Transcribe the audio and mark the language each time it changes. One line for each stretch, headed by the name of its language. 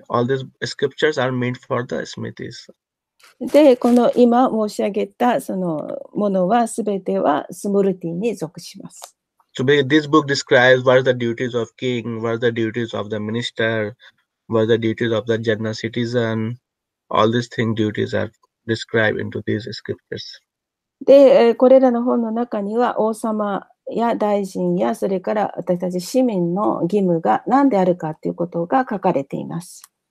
English: All these scriptures are meant for the Smritis.
Japanese: で、この今申し上げたそのものは全てはスムルティに属します。
English: So, this book describes what are the duties of king, what are the duties of the minister, what are the duties of the general citizen. All these things duties are described into these scriptures.
Japanese: で、これらの本の中には王様や大臣やそれから私たち市民の義務が何であるかということが書かれています。